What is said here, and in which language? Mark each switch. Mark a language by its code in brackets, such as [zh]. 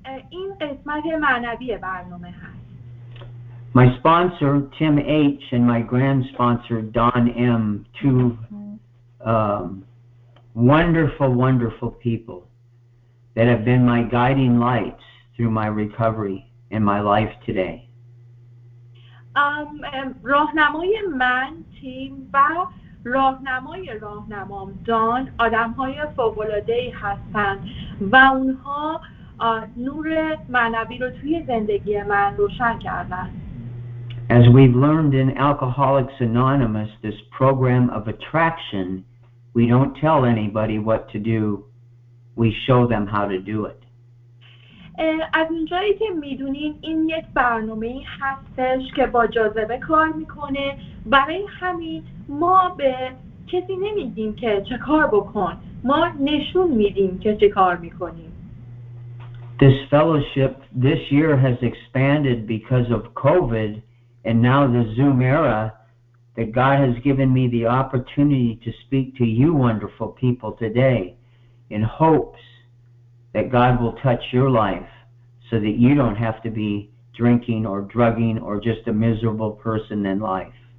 [fa] این قسمت معنوی برنامه هست. [en] My sponsor Tim H and my grand sponsor Don M, two wonderful, wonderful people that have been my guiding lights through my recovery and my life today. [fa] راهنمای من تیم و راهنمای راهنمام دان آدم‌های فوق‌العاده‌ای هستند و اونها نور معنوی رو توی زندگی من روشن کردن. [en] As we've learned in Alcoholics Anonymous, this program of attraction, we don't tell anybody what to do, we show them how to do it. [fa] از اونجایی که میدونین این یک برنامه هستش که با جاذبه کار میکنه برای همین ما به کسی نمیدیم که چه کار بکن ما نشون میدیم که چه کار میکنیم. [en] This fellowship this year has expanded because of COVID and now the Zoom era that God has given me the opportunity to speak to you wonderful people today in hopes that God will touch your life so that you don't have to be drinking or drugging or just a miserable person in life.